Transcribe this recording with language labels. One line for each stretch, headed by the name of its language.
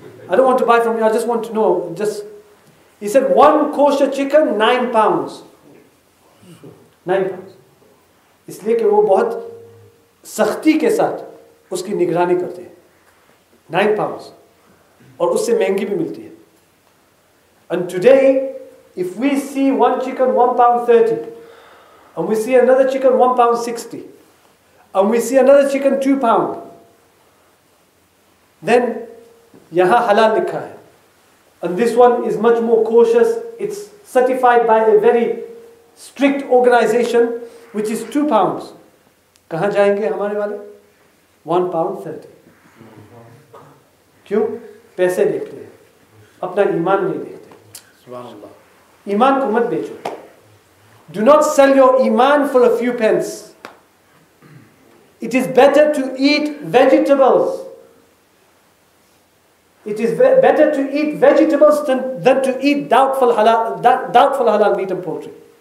English: I don't want to buy from you, I just want to know. He said, one kosher chicken, £9. 9 pounds.
Hindi: इसलिए कि वो बहुत सख्ती के साथ उसकी निगरानी करते हैं.
English: 9 pounds.
Hindi: और उससे महंगी भी मिलती है.
English: And today, if we see one chicken £1.30, and we see another chicken £1.60, and we see another chicken £2, then
Hindi: यहाँ हलाल लिखा है.
English: And this one is much more cautious. It's certified by a very strict organization, which is £2.
Hindi: कहाँ जाएंगे हमारे वाले? £1.30. क्यों? पैसे देखते हैं, अपना ईमान नहीं देखते. ईमान को मत बेचो.
English: Do not sell your iman for a few pence. It is better to eat vegetables. It is better to eat vegetables than to eat doubtful halal meat and poultry.